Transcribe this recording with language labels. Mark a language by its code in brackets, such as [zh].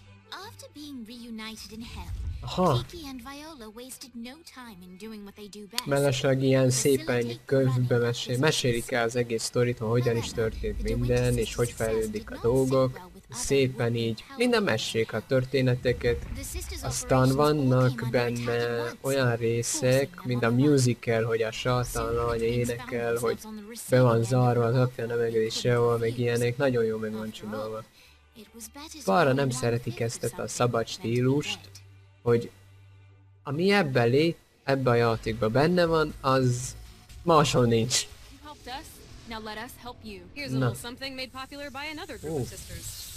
[en] After being reunited in hell, Kiki and Viola wasted no time in doing what they do best. [hu] Mellesleg ilyen szépen könyvbe mesélik el az egész sztorit, hogy hogyan is történt minden, és hogy fejlődik a dolgok. Szépen így. Minden mesék a történeteket. Aztán vannak benne olyan részek, mint a musical, hogy a sátán anya énekel, hogy be van zárva az apja nevegedi sehol, meg ilyenek. Nagyon jó meg van csinálva. Bárra nem szeretik ezt a szabad stílust, hogy ami ebbe a játékban benne van, az máshol nincs. [en] Now let us help you. Here's a little something made popular by another group of sisters.